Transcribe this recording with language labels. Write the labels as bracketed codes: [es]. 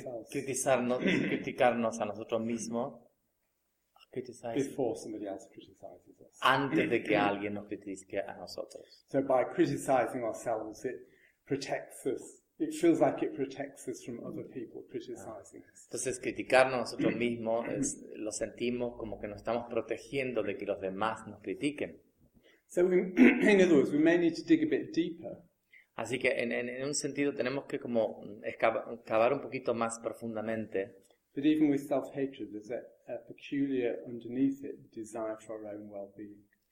[es] Criticarnos a nosotros mismos. [en] Before somebody else criticizes us. [es] Antes de que alguien nos critique a nosotros. [en] So by criticizing ourselves, it protects us. It feels like it protects us from other people criticizing us. [es] Entonces, criticarnos a nosotros mismos es, lo sentimos como que nos estamos protegiendo de que los demás nos critiquen. [en] So in other words, we may need to dig a bit deeper. [es] Así que en un sentido tenemos que como excavar un poquito más profundamente. [en] But even with self-hatred, there's a peculiar underneath it desire for our own well-being.